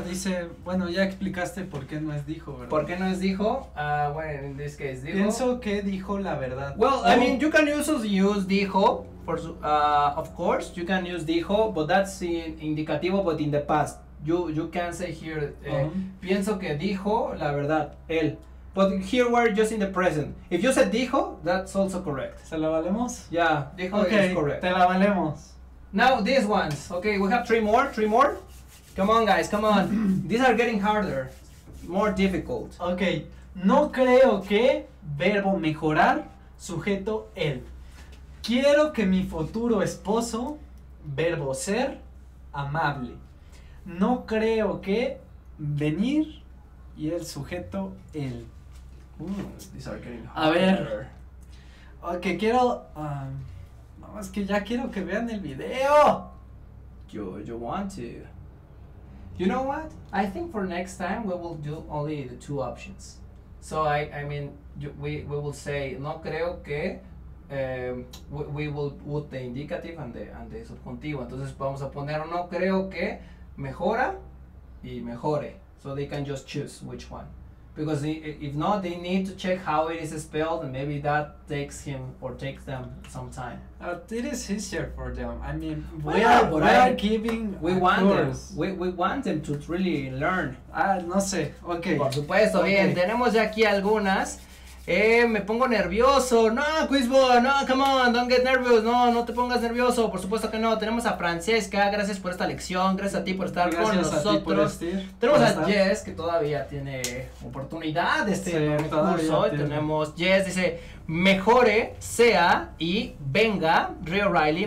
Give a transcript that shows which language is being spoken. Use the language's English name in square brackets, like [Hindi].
[Spanish] Dice, bueno, ya explicaste por qué no es dijo, ¿verdad? ¿Por qué no es dijo? [English] In this case, [Spanish] dijo. Pienso que dijo la verdad. [English] Well, oh. I mean, you can use dijo, of course, you can use dijo, but that's indicativo, but in the past. You can say here, [Spanish] pienso que dijo la verdad, él. [English] But here we're just in the present. If you said dijo, that's also correct. [Spanish] ¿Se la valemos? [English] Yeah, dijo okay, is correct. [Spanish] Te la valemos. [English] Now these ones, okay, we have three more. Come on guys, come on. These are getting harder, more difficult. [Spanish] Okay, no creo que, verbo mejorar, sujeto él. Quiero que mi futuro esposo, verbo ser, amable. No creo que venir y el sujeto él. [English] These are getting [Spanish] harder. A ver. Ok, quiero. No, es que ya quiero que vean el video. [English] You want to. You know what? I think for next time we will do only the two options. So I mean, we will say [Spanish] no creo que. [English] We will put the indicative and the subjuntivo. [Spanish] Entonces vamos a poner no creo que. [English] Mejora y mejore, so they can just choose which one, because if not they need to check how it is spelled and maybe that takes him or takes them some time. It is easier for them. I mean, we are giving. We want course. Them. We want them to really learn. [Spanish] No sé. Okay. Por supuesto. Okay. Bien, tenemos ya aquí algunas. Me pongo nervioso. [English] No, Quizbo, no, come on, don't get nervous. [Spanish] No te pongas nervioso, por supuesto que no. Tenemos a Francesca, gracias por esta lección. Gracias a ti por estar gracias con nosotros a ti por Tenemos a estar. Jess, que todavía tiene oportunidad de este curso. Tenemos Jess, dice mejore, sea y venga, Rio Riley.